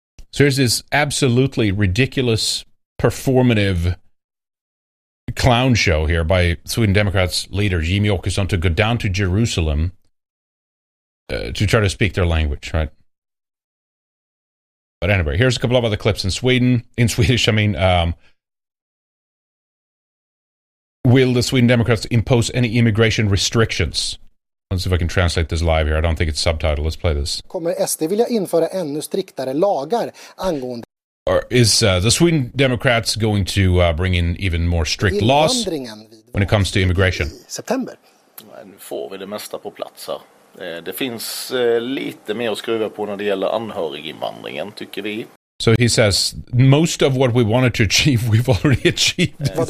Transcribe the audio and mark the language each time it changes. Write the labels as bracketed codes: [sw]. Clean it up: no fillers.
[en] So here's this absolutely ridiculous performative clown show here by Sweden Democrats leader Jimmie Åkesson to go down to Jerusalem to try to speak their language, right? But anyway, here's a couple of other clips in Sweden. In Swedish, I mean, will the Sweden Democrats impose any immigration restrictions? Let's see if I can translate this live here. I don't think it's subtitled. Let's play this. [sv] Kommer SD vilja införa ännu striktare lagar angående... [en] Or is the Sweden Democrats going to bring in even more strict laws when it comes to immigration? September. [sv] Nu får vi det mesta på plats här. Det finns lite mer att skruva på när det gäller anhöriginvandringen, tycker vi. [en] So he says, most of what we wanted to achieve, we've already achieved.